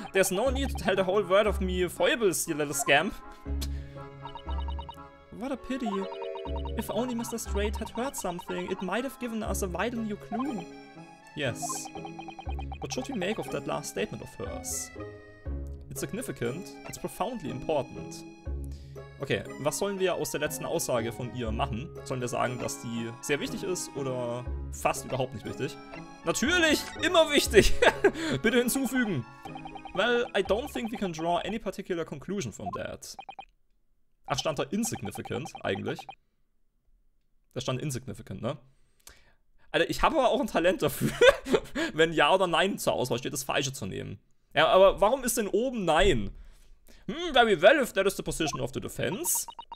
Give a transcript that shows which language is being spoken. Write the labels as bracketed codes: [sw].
[en] There's no need to tell the whole world of me foibles, you little scamp! What a pity. If only Mr. Strait had heard something, it might have given us a vital new clue. Yes. What should we make of that last statement of hers? It's significant. It's profoundly important. [de] Okay, was sollen wir aus der letzten Aussage von ihr machen? Sollen wir sagen, dass die sehr wichtig ist oder fast überhaupt nicht wichtig? Natürlich! Immer wichtig! Bitte hinzufügen! [en] Well, I don't think we can draw any particular conclusion from that. [de] Ach, stand da insignificant eigentlich? Da stand insignificant, ne? Alter, ich habe aber auch ein Talent dafür, wenn Ja oder Nein zur Auswahl steht, das Falsche zu nehmen. Ja, aber warum ist denn oben Nein? [en] Very well, if that is the position of the defense.